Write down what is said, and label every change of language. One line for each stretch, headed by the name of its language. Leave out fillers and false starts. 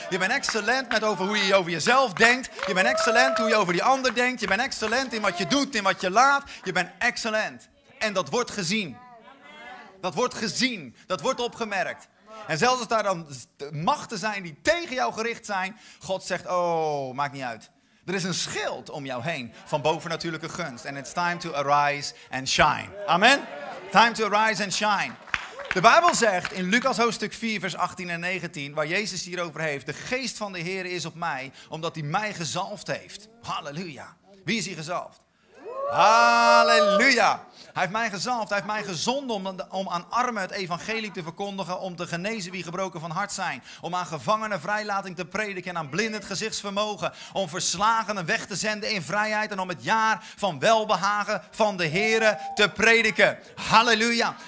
Dutch: Je bent excellent met over hoe je over jezelf denkt. Je bent excellent hoe je over die ander denkt. Je bent excellent in wat je doet, in wat je laat. Je bent excellent. En dat wordt gezien. Dat wordt gezien, dat wordt opgemerkt. En zelfs als daar dan machten zijn die tegen jou gericht zijn, God zegt, oh, maakt niet uit. Er is een schild om jou heen van bovennatuurlijke gunst.
English: And it's time to arise and shine. Amen? Time to arise and shine.
Dutch: De Bijbel zegt in Lucas hoofdstuk 4, vers 18 en 19, waar Jezus hierover heeft, de geest van de Heer is op mij, omdat hij mij gezalfd heeft. Halleluja. Wie is hij gezalfd? Halleluja. Hij heeft mij gezalfd, hij heeft mij gezonden om aan armen het evangelie te verkondigen, om te genezen wie gebroken van hart zijn, om aan gevangenen vrijlating te prediken en aan blinden het gezichtsvermogen, om verslagenen weg te zenden in vrijheid en om het jaar van welbehagen van de Heere te prediken. Halleluja.